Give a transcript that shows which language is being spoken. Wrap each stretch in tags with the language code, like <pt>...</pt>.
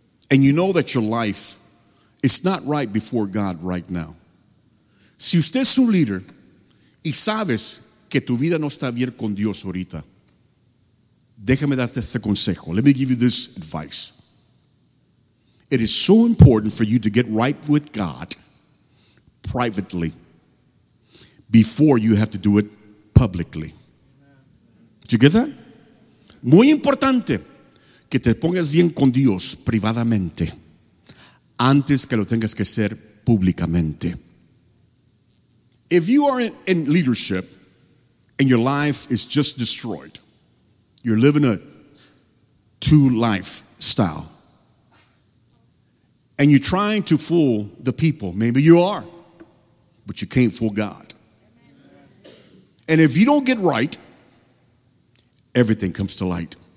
<en>and you know that your life is not right before God right now,</en> <es>si usted es un líder y sabes que tu vida no está bien con Dios ahorita, déjame darte este consejo.</es> <en>Let me give you this advice. It is so important for you to get right with God privately before you have to do it publicly. Did you get that?</en> <es>Muy importante que te pongas bien con Dios privadamente antes que lo tengas que hacer públicamente.</es> <en>If you are in leadership and your life is just destroyed, you're living a two-life style, and you're trying to fool the people. Maybe you are, but you can't fool God. And if you don't get right, everything comes to light.</en>